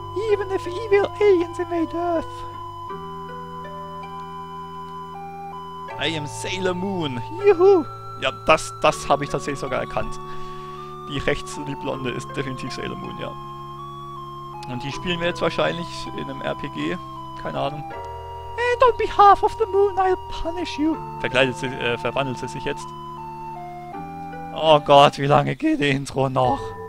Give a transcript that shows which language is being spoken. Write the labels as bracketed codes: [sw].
[en] Even if evil aliens invade Earth. I am Sailor Moon. [de] Juhu. Ja, das habe ich tatsächlich sogar erkannt. Die rechts, die Blonde, ist definitiv Sailor Moon, ja. Und die spielen wir jetzt wahrscheinlich in einem RPG. Keine Ahnung. [en] And on behalf of the moon, I'll punish you. [de] Verwandelt sie sich jetzt. Oh Gott, wie lange geht die Intro noch?